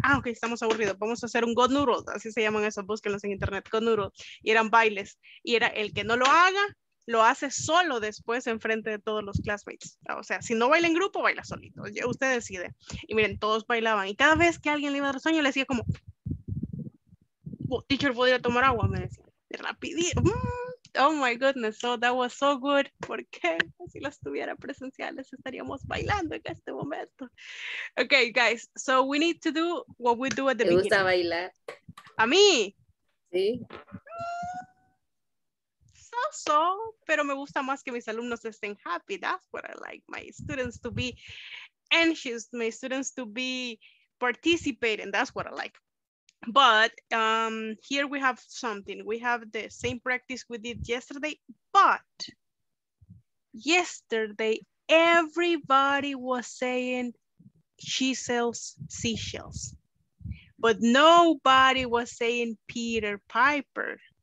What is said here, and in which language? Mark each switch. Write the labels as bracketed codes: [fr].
[es] Ah, ok, estamos aburridos. Vamos a hacer un God Noodles. Así se llaman esos, búsquenlos en internet. God Noodles. Y eran bailes. Y era el que no lo haga. Lo hace solo después en frente de todos los classmates. O sea, si no baila en grupo, baila solito. Usted decide. Y miren, todos bailaban. Y cada vez que alguien le iba a dar sueño, le decía como, teacher, ¿puedo ir a tomar agua? Me decía, rapidito. [en] Oh my goodness, so that was so good. [es] ¿Por qué? Si los tuviera presenciales, estaríamos bailando en este momento. [en] Ok, guys, so we need to do what we do at the beginning. [es] ¿Te gusta bailar? ¿A mí? Sí. So, pero me gusta más que mis alumnos estén happy. [en] That's what I like my students to be anxious, my students to be participating. That's what I like. But here we have something. We have the same practice we did yesterday, but yesterday everybody was saying she sells seashells, but nobody was saying Peter Piper.